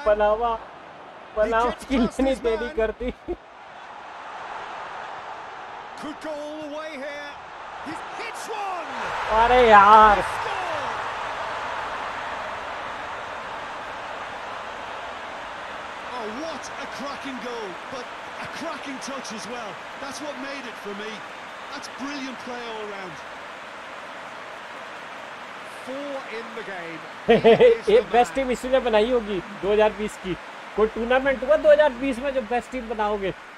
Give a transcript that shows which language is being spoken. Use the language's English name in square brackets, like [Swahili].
[Hindi] पलावा पलाव की इतनी देरी करती. [English] Could go all the way here. He's hit one. [Hindi] अरे यार. [English] Oh, what a cracking goal, but a cracking touch as well. That's what made it for me. That's brilliant play all around. [Hindi] ये best team इसीलिए बनाई होगी 2020 की. कोई tournament हुआ 2020 में जो बेस्ट टीम बनाओगे.